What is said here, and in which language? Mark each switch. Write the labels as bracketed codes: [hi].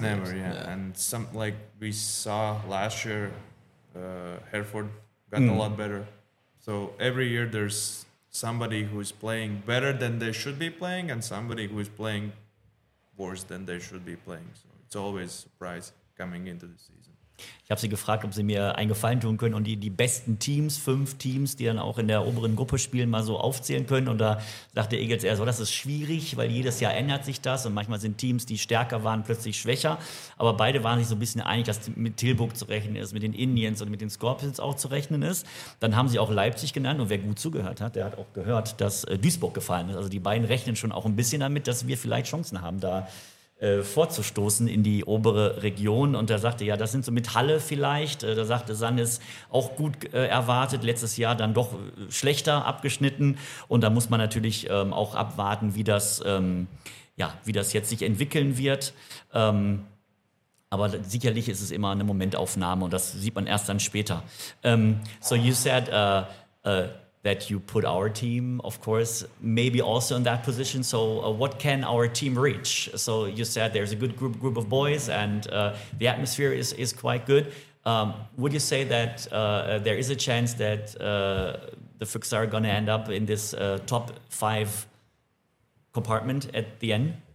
[en] never, And some, like we saw last year, Hereford got a lot better. So every year there's somebody who is playing better than they should be playing and somebody who is playing worse than they should be playing. So it's always a surprise coming into the season. [de] Ich habe sie gefragt, ob sie mir einen Gefallen tun können und die besten Teams, fünf Teams, die dann auch in der oberen Gruppe spielen, mal so aufzählen können. Und da sagte Egels eher so, das ist schwierig, weil jedes Jahr ändert sich das und manchmal sind Teams, die stärker waren, plötzlich schwächer. Aber beide waren sich so ein bisschen einig, dass mit Tilburg zu rechnen ist, mit den Indians und mit den Scorpions auch zu rechnen ist. Dann haben sie auch Leipzig genannt und wer gut zugehört hat, der hat auch gehört, dass Duisburg gefallen ist. Also die beiden rechnen schon auch ein bisschen damit, dass wir vielleicht Chancen haben, da vorzustoßen in die obere Region. Und da sagte, ja, das sind so mit Halle vielleicht. Da sagte Sannes, auch gut erwartet, letztes Jahr dann doch schlechter abgeschnitten. Und da muss man natürlich auch abwarten, wie das jetzt sich entwickeln wird. Aber sicherlich ist es immer eine Momentaufnahme und das sieht man erst dann später. [en] So you said that you put our team, of course, maybe also in that position. So what can our team reach? So you said there's a good group of boys and the atmosphere is quite good. Would you say that there is a chance that the Füchse are going to end up in this top five compartment at the end?